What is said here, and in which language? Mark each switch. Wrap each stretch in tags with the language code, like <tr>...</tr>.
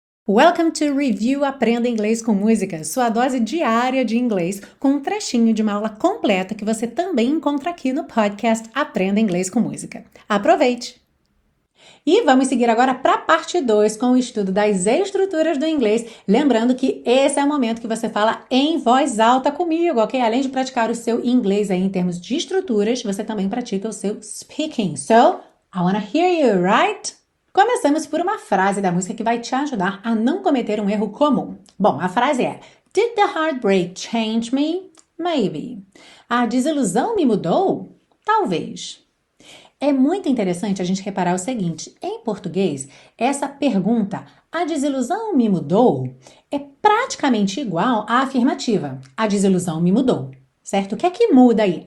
<en>Welcome to</en> <pt>Review Aprenda Inglês com Música, sua dose diária de inglês, com um trechinho de uma aula completa que você também encontra aqui no podcast Aprenda Inglês com Música. Aproveite! E vamos seguir agora para a parte 2 com o estudo das estruturas do inglês. Lembrando que esse é o momento que você fala em voz alta comigo, ok? Além de praticar o seu inglês aí em termos de estruturas, você também pratica o seu speaking.</pt> <en>So, I wanna hear you, right?</en> <pt>Começamos por uma frase da música que vai te ajudar a não cometer um erro comum. Bom, a frase é:</pt> <en>Did the heartbreak change me? Maybe.</en> <pt>A desilusão me mudou? Talvez. É muito interessante a gente reparar o seguinte: em português, essa pergunta, a desilusão me mudou, é praticamente igual à afirmativa, a desilusão me mudou. Certo? O que é que muda aí?</pt>